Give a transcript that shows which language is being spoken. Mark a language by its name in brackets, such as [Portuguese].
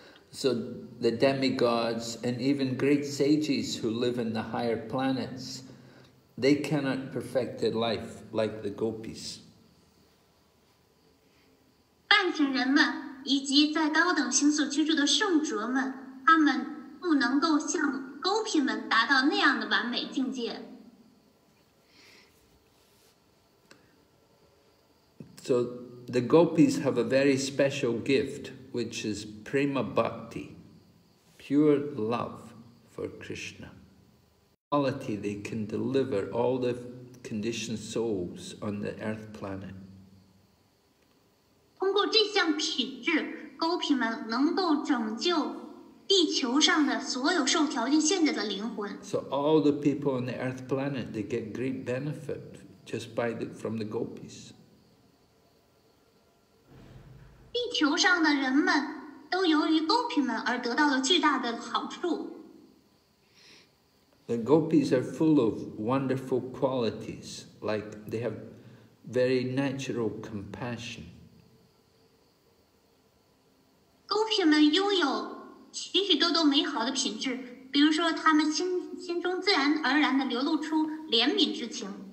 [English] So the demigods and even great sages who live in the higher planets, they cannot perfect their life like the gopis. [Chinese] 半神人们以及在高等星宿居住的圣哲们，他们不能够像勾皮们达到那样的完美境界。 [English] So the gopis have a very special gift, which is prema bhakti, pure love for Krishna. Quality they can deliver all the conditioned souls on the earth planet. [Chinese] 通过这项品质，勾皮们能够拯救地球上的所有受条件限制的灵魂。 [English] So all the people on the earth planet, they get great benefit just by the, from the gopis. [Chinese] 地球上的人们都由于勾皮们而得到了巨大的好处。 [English] The gopis are full of wonderful qualities, like they have very natural compassion. [Chinese] 勾皮们拥有许许多多美好的品质，比如说他们心中自然而然地流露出怜悯之情。